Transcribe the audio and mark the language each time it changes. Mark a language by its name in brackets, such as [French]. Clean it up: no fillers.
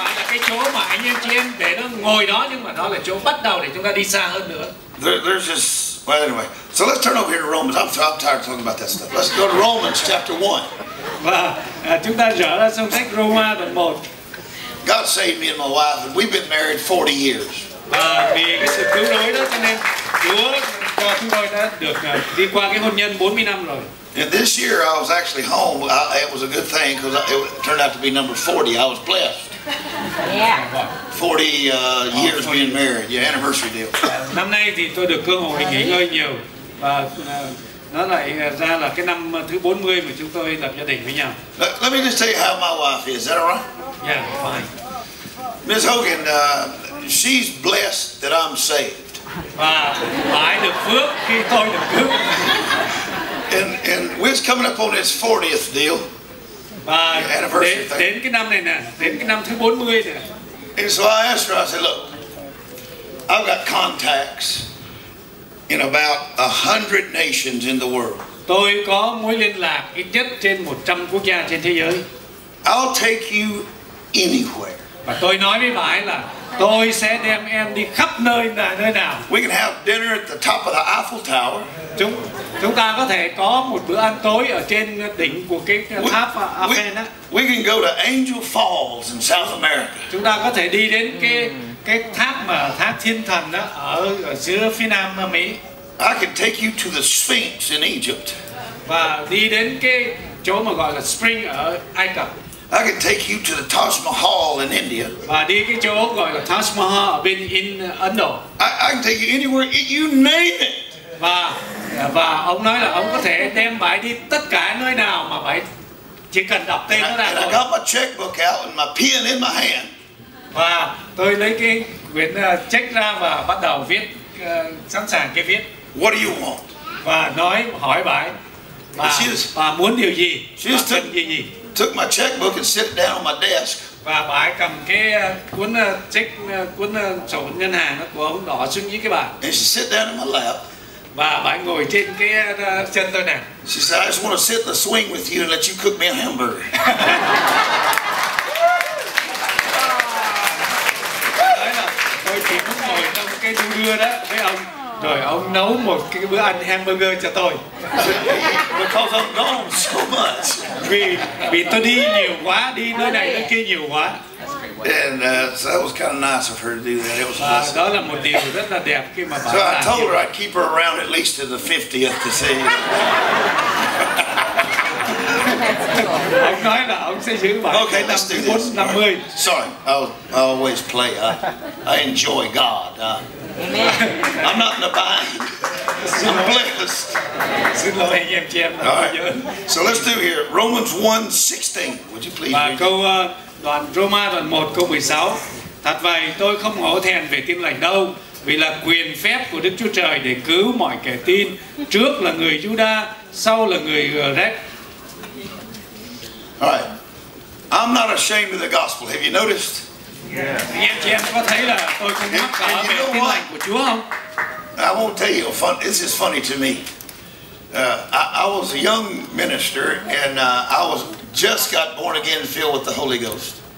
[Vietnamese] Cái chỗ mà anh em chị em để nó ngồi đó nhưng mà đó là chỗ bắt đầu để chúng ta đi xa hơn nữa. [English] There's just well anyway. So let's turn over here to Romans. I'm tired of talking about that stuff. Let's go to Romans chapter 1. [Vietnamese] Và chúng ta trở ra trong sách Roma đoạn 1. [English] God saved me and my wife and we've been married 40 years. [Vietnamese] Và vì cái sự cứu rỗi đó cho nên Chúa cho chúng tôi đã được đi qua cái hôn nhân 40 năm rồi. [English] And this year I was actually home. It was a good thing because it turned out to be number 40. I was blessed. Yeah. 40 years being married. Yeah, anniversary deal. [Vietnamese] Năm nay thì tôi được cơ hội nghỉ ngơi nhiều và nó lại ra là cái năm thứ 40 mà chúng tôi lập gia đình với nhau. [English] Let me just tell you how my wife is. Is that all right? Yeah, fine. Ms. Hogan, she's blessed that I'm saved. [Vietnamese] Và ai được phước khi tôi được cứu. [English] And we're coming up on its 40th deal. [Vietnamese] Anniversary đến cái năm này nè, đến cái năm thứ 40 nè. [English] And so I asked her, I said, look, I've got contacts in about 100 nations in the world. [Vietnamese] Tôi có mối liên lạc ít nhất trên 100 quốc gia trên thế giới. [English] I'll take you anywhere. [Vietnamese] Và tôi nói với bà ấy là tôi sẽ đem em đi khắp nơi nào. [English] We can have dinner at the top of the Eiffel Tower. [Vietnamese] Chúng ta có thể có một bữa ăn tối ở trên đỉnh của cái tháp Eiffel á. [English] We can go to Angel Falls in South America. [Vietnamese] Chúng ta có thể đi đến cái tháp mà tháp thiên thần đó ở giữa phía nam Mỹ. [English] I can take you to the Sphinx in Egypt. [Vietnamese] Và đi đến cái chỗ mà gọi là Spring ở Ai Cập. [English] I can take you to the Taj Mahal in India. [Vietnamese] Và đi cái chỗ gọi là Taj Mahal ở bên Ấn Độ. [English] I can take you anywhere you name it. [Vietnamese] Và ông nói là ông có thể đem bà đi tất cả nơi nào mà bà chỉ cần đọc tên nó ra thôi. [English] I got my checkbook out and my pen in my hand. [Vietnamese] Và tôi lấy cái quyển check ra và bắt đầu viết, sẵn sàng cái viết. [English] What do you want? [Vietnamese] Và nói hỏi bà ấy, bà muốn điều gì? [English] She just took, [Vietnamese] gì? [English] Took my checkbook and sit down on my desk. [Vietnamese] Và bà ấy cầm cái cuốn check, cuốn sổ ngân hàng của ông đỏ xuống dưới cái bàn. [English] And she sit down on my lap. [Vietnamese] Và bà ấy ngồi trên cái chân tôi nè. [English] She said, I just want to sit in the swing with you and let you cook me a hamburger. [Vietnamese] Đấy là tôi chỉ muốn ngồi trong cái đu đưa đó với ông. Rồi ông nấu một cái bữa ăn hamburger cho tôi. [English] Because I'm gone so much. [Vietnamese] Vì tôi đi nhiều quá, đi nơi này nơi kia nhiều quá. [English] And so that was kind of nice of her to do that. It was nice. [Vietnamese] Đó là một điều rất là đẹp khi mà bà. [English] So I told her I'd keep her around at least to the 50th to see. [Vietnamese] Ông nói là ông sẽ giữ bà. [English] Okay, let's do this. 50. Sorry, I always play. I enjoy God. Amen. I'm not in a bind. I'm blessed. All right. So let's do here. Romans 1:16. Would you please? [Vietnamese] Đoạn Roma đoạn 1 câu 16. Thật vậy, tôi không hổ thẹn về tin lành đâu, vì là quyền phép của Đức Chúa Trời để cứu mọi kẻ tin, trước là người Giuđa, sau là người Grec. [English] Alright. I'm not ashamed of the gospel. Have you noticed? [Vietnamese] Anh em chị em có thấy là tôi không mắc cả về tin lành của Chúa không? [English] I won't tell you, this is funny to me. I was a young minister and I was just got born again filled with the Holy Ghost.